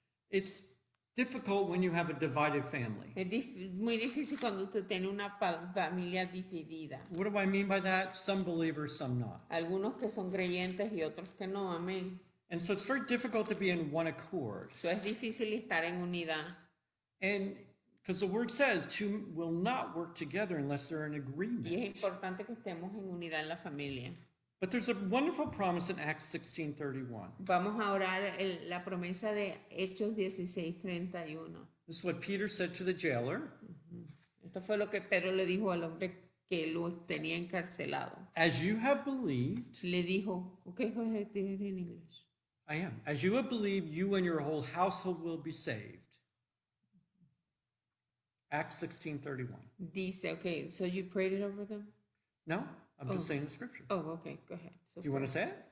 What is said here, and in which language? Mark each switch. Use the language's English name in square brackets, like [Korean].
[English] It's difficult when you have a divided family. [Spanish] Es muy difícil cuando tú tienes una familia dividida. [English] What do I mean by that? Some believers, some not. [Spanish] Algunos que son creyentes y otros que no. Amén. [English] And so it's very difficult to be in one accord. [Spanish] So es difícil estar en unidad. [English] And because the word says two will not work together unless they're in agreement. [Spanish] Y es importante que estemos en unidad en la familia. [English] But there's a wonderful promise in Acts 16:31. [Spanish] Vamos a orar la promesa de Hechos 16:31. [English] This is what Peter said to the jailer. [Spanish] Esto fue lo que Pedro le dijo al hombre que lo tenía encarcelado. [English] As you have believed. [Spanish] Le dijo, [English] okay, go ahead, read in English. I am. As you have believed, you and your whole household will be saved. Acts 16:31. [Spanish] Dice, [English] okay, so you prayed it over them? No. I'm just saying the scripture. Oh, okay. Go ahead. So do you want to say it?